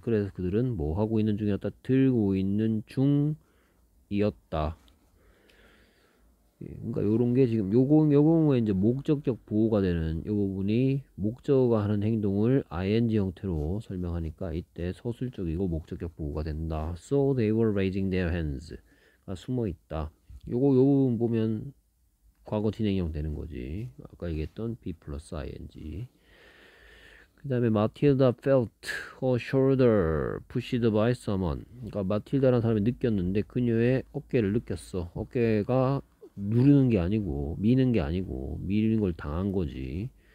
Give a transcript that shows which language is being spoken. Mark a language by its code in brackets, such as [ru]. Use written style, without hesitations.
[ko] 그래서 그들은 뭐 하고 있는 중이었다 들고 있는 중이었다. 그러니까 요런 게 지금 요거는 이제 목적격 보호가 되는 요 부분이 목적어가 하는 행동을 ing 형태로 설명하니까 이때 서술적이고 목적격 보호가 된다. [en] So they were raising their hands가 [ko] 숨어 있다. 요 부분 보면 과거 진행형 되는 거지. 아까 얘기했던 [en] be plus ing. [ko] 그다음에 [en] Matilda felt her shoulder pushed by someone. [ko] 그러니까 마틸다라는 사람이 느꼈는데 그녀의 어깨를 느꼈어. 어깨가 누르는 게 아니고 미는 게 아니고 미는 걸 당한 거지.